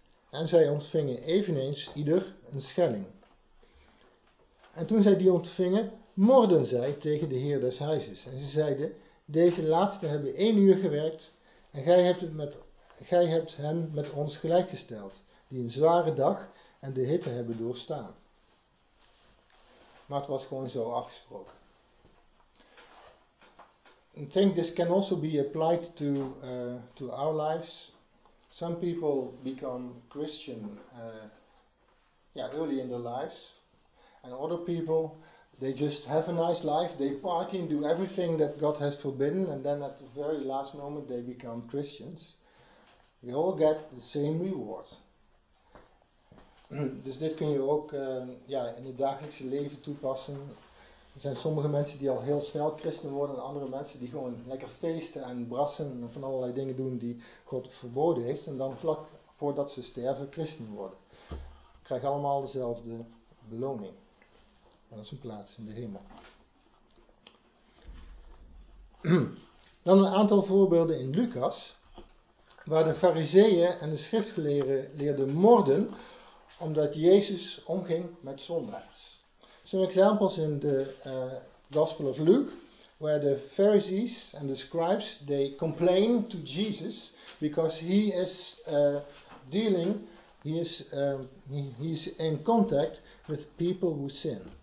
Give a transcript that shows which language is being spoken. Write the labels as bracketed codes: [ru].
[nl] En zij ontvingen eveneens ieder 1 schelling. En toen zij die ontvingen, morden zij tegen de heer des huizes. En ze zeiden, deze laatste hebben 1 uur gewerkt en gij hebt hen met ons gelijkgesteld, die een zware dag en de hitte hebben doorstaan. Maar het was gewoon zo afgesproken. [en] I think this can also be applied to our lives. Some people become Christian early in their lives, and other people, they just have a nice life, they party and do everything that God has forbidden, and then at the very last moment they become Christians. We all get the same reward. [nl] Dus dit kun je ook in het dagelijkse leven toepassen. Er zijn sommige mensen die al heel snel christen worden, en andere mensen die gewoon lekker feesten en brassen en van allerlei dingen doen die God verboden heeft. En dan vlak voordat ze sterven christen worden. Krijgen allemaal dezelfde beloning. Dat is een plaats in de hemel. Dan een aantal voorbeelden in Lucas, waar de fariseeën en de schriftgeleerden leerden morden omdat Jezus omging met zondaars. [en] Some examples in the Gospel of Luke, where the Pharisees and the scribes, they complain to Jesus because he is in contact with people who sin.